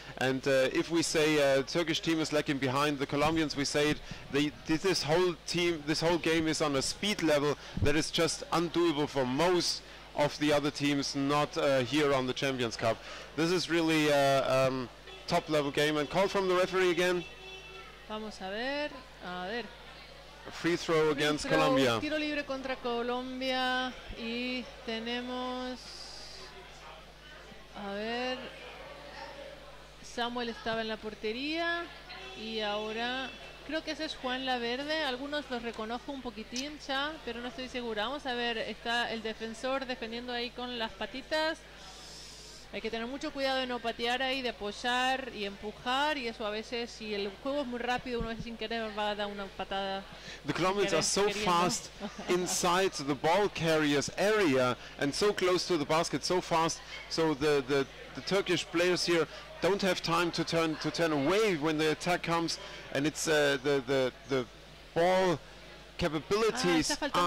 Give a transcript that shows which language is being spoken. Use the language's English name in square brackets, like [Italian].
[English] And if we say Turkish team is lagging behind the Colombians, we say this whole game is on a speed level that is just undoable for most of the other teams not here on the Champions Cup. This is really a top level game, and call from the referee again. [Spanish] Vamos a ver. A ver. [English] Free throw against Colombia. [Spanish] Tiro libre contra Colombia y tenemos a ver Samuel estaba en la portería y ahora creo que ese es Juan Laverde, algunos los reconozco un poquitín ya, pero no estoy segura. Vamos a ver, está el defensor defendiendo ahí con las patitas. Hay que tener mucho cuidado de no patear ahí, de apoyar y empujar, y eso a veces, si el juego es muy rápido, uno sin querer va a dar una patada. [English] The Colombians are so fast inside the ball carrier's area and so close to the basket, so fast, so the Turkish players here don't have time to turn away when the attack comes, and it's the ball capabilities.